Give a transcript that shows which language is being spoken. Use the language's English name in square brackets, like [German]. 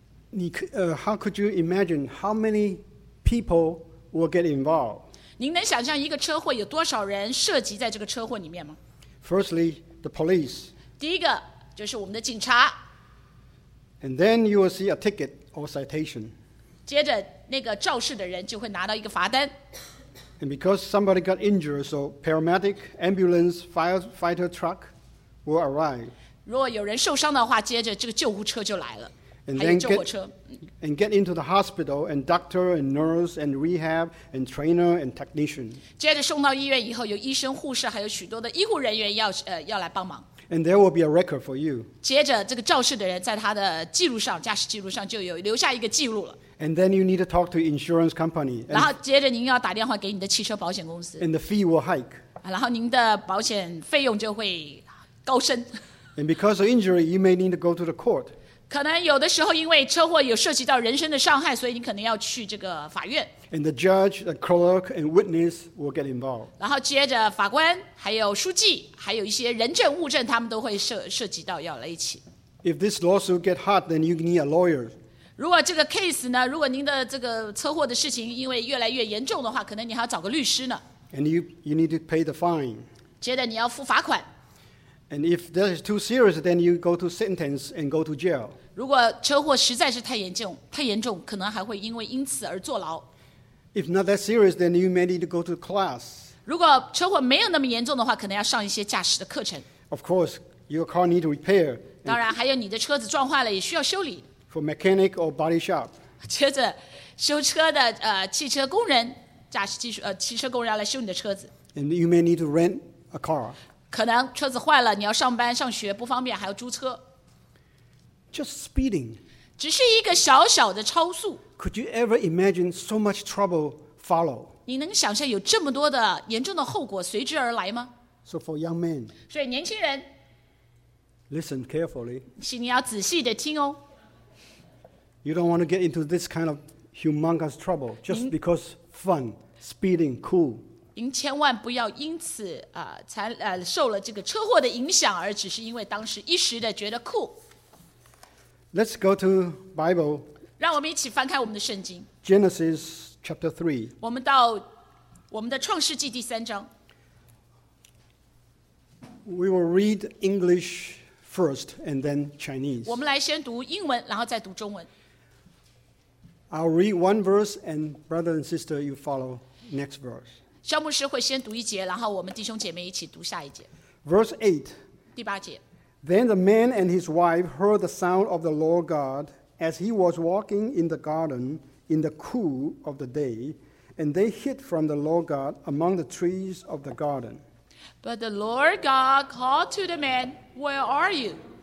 [English] How could you imagine how many people will get involved? [Chinese] 您能想象一个车祸有多少人涉及在这个车祸里面吗？ [English] Firstly, the police. [Chinese] 第一个就是我们的警察。 [English] And then you will see a ticket or citation. [Chinese] 接着那个肇事的人就会拿到一个罚单。 [English] And because somebody got injured, so paramedic, ambulance, firefighter truck will arrive. [Chinese] 如果有人受伤的话，接着这个救护车就来了，还有救火车。 [English] And get into the hospital, and doctor, and nurse, and rehab, and trainer, and technician. [Chinese] 接着送到医院以后，有医生、护士，还有许多的医护人员要来帮忙。 [English] And there will be a record for you. [Chinese] 接着这个肇事的人在他的记录上，驾驶记录上就有留下一个记录了。 [English] And then you need to talk to insurance company. [Chinese] 然后接着您要打电话给你的汽车保险公司。 [English] And the fee will hike. [Chinese] 然后您的保险费用就会高升。 [English] And because of injury, you may need to go to the court. [Chinese] 可能有的时候因为车祸有涉及到人身的伤害，所以你可能要去这个法院。 [English] And the judge, the clerk, and witness will get involved. [Chinese] 然后接着法官、还有书记、还有一些人证物证，他们都会涉及到要来一起。 [English] If this lawsuit gets hot, then you need a lawyer. [Chinese] 如果这个 case 呢，如果您的这个车祸的事情因为越来越严重的话，可能你还要找个律师呢。 [English] And you need to pay the fine. [Chinese] 接着你要付罚款。 [English] And if that is too serious, then you go to sentence and go to jail. [Chinese] 如果车祸实在是太严重，可能还会因为因此而坐牢。 [English] If not that serious, then you may need to go to class. [Chinese] 如果车祸没有那么严重的话，可能要上一些驾驶的课程。 [English] Of course, your car need to repair. [Chinese] 当然，还有你的车子撞坏了也需要修理。 [English] For mechanic or body shop. [Chinese] 接着，修车的汽车工人，驾驶技术汽车工人要来修你的车子。 [English] And you may need to rent a car. [Chinese] 可能车子坏了，你要上班上学不方便，还要租车。 [English] Just speeding. [Chinese] 只是一个小小的超速。 [English] Could you ever imagine so much trouble follow? [Chinese] 你能想象有这么多的严重的后果随之而来吗？ [English] So for young men. [Chinese] 所以年轻人。 [English] Listen carefully. [Chinese] 请你要仔细的听哦。 [English] You don't want to get into this kind of humongous trouble just because fun, speeding, cool. [Chinese] 您千万不要因此受了这个车祸的影响，而只是因为当时一时的觉得酷。 [English] Let's go to Bible. [Chinese] 让我们一起翻开我们的圣经。 [English] Genesis chapter 3. [Chinese] 我们到我们的创世纪第三章。 [English] We will read English first and then Chinese. [Chinese] 我们来先读英文，然后再读中文。 [English] I'll read one verse, and brother and sister, you follow next verse. [Chinese] 肖牧师会先读一节，然后我们弟兄姐妹一起读下一节。 [English] Verse 8. [Chinese] 第八节。 [English] Then the man and his wife heard the sound of the Lord God as he was walking in the garden in the cool of the day, and they hid from the Lord God among the trees of the garden. But the Lord God called to the man, "Where are you?"